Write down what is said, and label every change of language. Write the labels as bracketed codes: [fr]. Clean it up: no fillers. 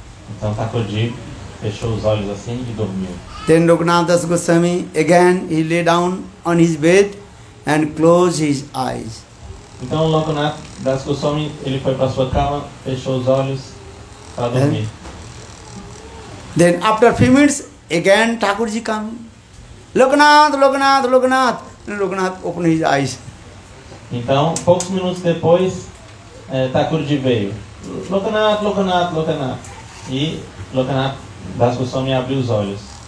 [pt] Então Thakurji fechou os olhos assim e dormiu. [en] Then Loknath Das Goswami, again, he lay down on his bed and closed his eyes. [pt] Então Loknath Das Goswami, ele foi para sua cama, fechou os olhos para dormir. [en] Then after a few minutes, again Thakurji came. Loknath, Loknath, Loknath. Then Loknath opened his eyes. [pt] Então, poucos minutos depois, Thakurji veio. Lokanath, Lokanath, Lokanath. E Lokanath Das Goswami abriu os olhos.